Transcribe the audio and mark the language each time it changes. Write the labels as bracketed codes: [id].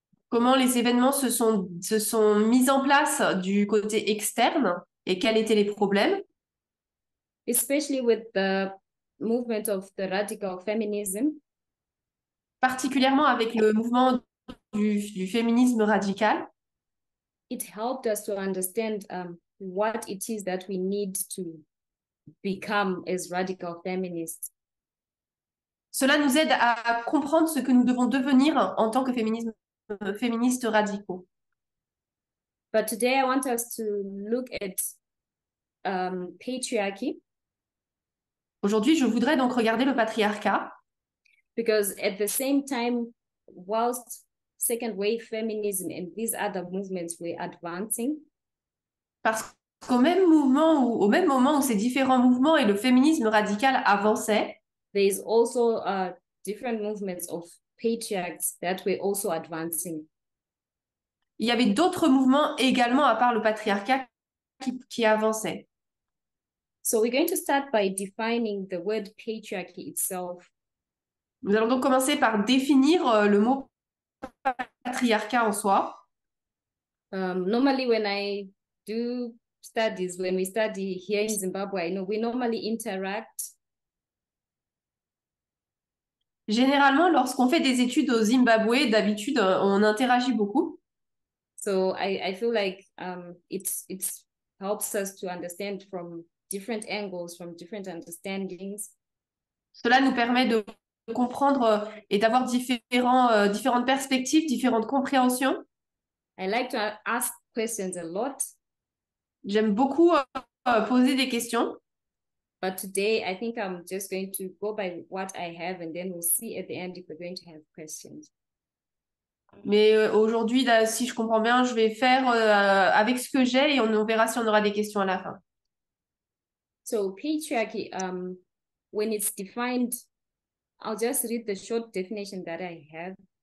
[fr] Comment les événements se sont mis en place du côté externe et quels étaient les problèmes? [en] Especially with the movement of the radical feminism. [fr] Particulièrement avec le mouvement du féminisme radical. [en] It helped us to understand what it is that we need to become as radical feminists. [fr] Cela nous aide à comprendre ce que nous devons devenir en tant que féministes radicaux. [en] But today I want us to look at patriarchy. [fr] Aujourd'hui, je voudrais donc regarder le patriarcat. [en] Because at the same time, whilst second wave feminism and these other movements were advancing, [fr] Parce qu'au même moment où ces différents mouvements et le féminisme radical avançaient, [en] there is also different movements of patriarchs that were also advancing. [fr] il y avait d'autres mouvements également, à part le patriarcat, qui avançaient. [en] So we're going to start by defining the word patriarchy itself. [fr] Nous allons donc commencer par définir le mot patriarcat en soi. [en] Normally, when I do studies, when we study here in Zimbabwe, we normally interact. [fr] Généralement, lorsqu'on fait des études au Zimbabwe, d'habitude, on interagit beaucoup. [en] So I feel like it helps us to understand from different angles, from different understandings. [fr] Cela nous permet de comprendre et d'avoir différentes perspectives, différentes compréhensions. [en] I like to ask questions a lot. [fr] J'aime beaucoup poser des questions. [en] But today I think I'm just going to go by what I have and then we'll see at the end if we're going to have questions. [fr] Mais aujourd'hui, si je comprends bien, je vais faire avec ce que j'ai et on verra si on aura des questions à la fin. [en] So patriarchy, when it's defined, I'll just read the short definition that I have.